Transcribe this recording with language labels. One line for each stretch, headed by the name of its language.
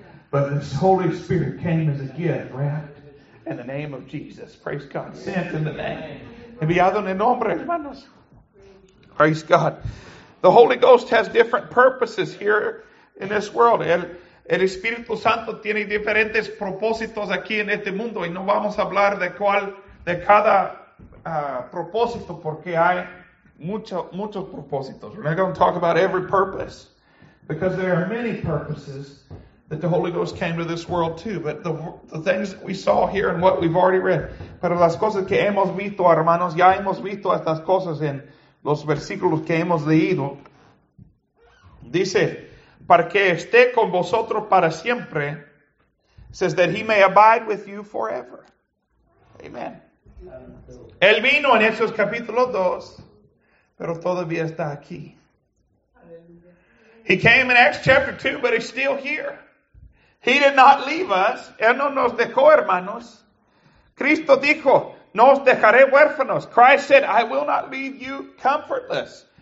English: But the Holy Spirit came as a gift, right? In the name of Jesus. Praise God. Sent in the name.
Spanish: Enviado en el nombre, hermanos.
English: Praise God. The Holy Ghost has different purposes here in this world.
Spanish: El Espíritu Santo tiene diferentes propósitos aquí en este mundo. Y no vamos a hablar de cada propósito porque hay muchos propósitos.
English: We're not going to talk about every purpose because there are many purposes that the Holy Ghost came to this world too. But the things that we saw here and what we've already read.
Spanish: Pero las cosas que hemos visto, hermanos, ya hemos visto estas cosas en los versículos que hemos leído. Dice, para que esté con vosotros para siempre.
English: Says that he may abide with you forever. Amen.
Spanish: Él vino en Hechos capítulo 2, pero todavía está aquí.
English: He came in Acts chapter 2, but he's still here. He did not leave us.
Spanish: Él no nos dejó, hermanos. Cristo dijo, no os dejaré huérfanos.
English: Christ said, I will not leave you comfortless.